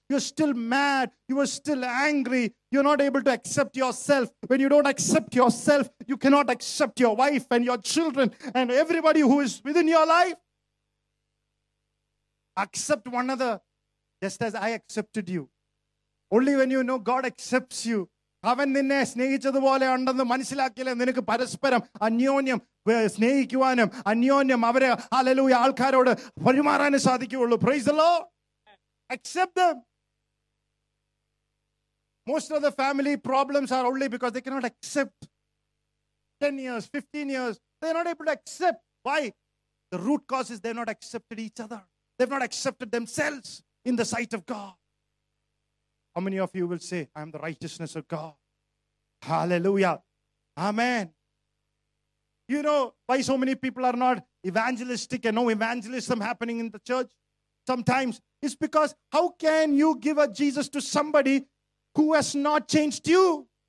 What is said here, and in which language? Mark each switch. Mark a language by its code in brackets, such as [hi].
[en] You're still mad. You are still angry. You're not able to accept yourself. When you don't accept yourself, you cannot accept your wife and your children and everybody who is within your life. Accept one another just as I accepted you. Only when you know God accepts you. [ml] അവൻ നിന്നെ സ്നേഹിച്ചതുപോലെ ഉണ്ടെന്ന് മനസ്സിലാക്കിയാൽ നിനക്ക് പരസ്പരം അന്യോന്യം സ്നേഹിക്കുവാനും അന്യോന്യം അവരെ hallelujah ആൾക്കാരോട് പെരുമാറാനും സാധിക്കുകയുള്ളൂ. [en] Praise the lord. Accept them. Most of the family problems are only because they cannot accept. 10 years, 15 years, they not able to accept. Why? The root cause is they not accepted each other. They have not accepted themselves in the sight of God. How many of you will say, I am the righteousness of God? Hallelujah. Amen. You know why so many people are not evangelistic and no evangelism happening in the church? sometimes is because how can you give a Jesus to somebody who has not changed you?